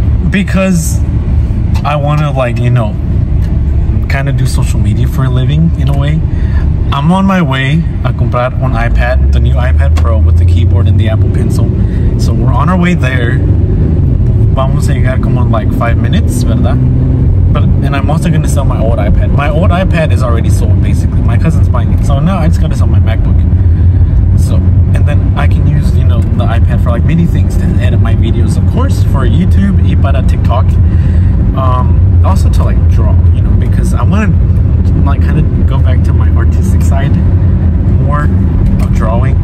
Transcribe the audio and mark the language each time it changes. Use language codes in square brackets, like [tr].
[en] Because I want to, like, you know, kind of do social media for a living in a way, I'm on my way to [es] comprar [en] an iPad, the new iPad Pro with the keyboard and the Apple Pencil. So we're on our way there. [es] Vamos a llegar como en [en] like 5 minutes, [es] ¿verdad? [en] But, and I'm also going to sell my old iPad. My old iPad is already sold, basically. My cousin's buying it. So now I just got to sell my MacBook. So, and then I can use, you know, the iPad for like many things, to edit my videos, of course, for YouTube, [es] y para [en] TikTok. Also to like draw, you know, because I want to like kind of go back to my artistic side more of drawing.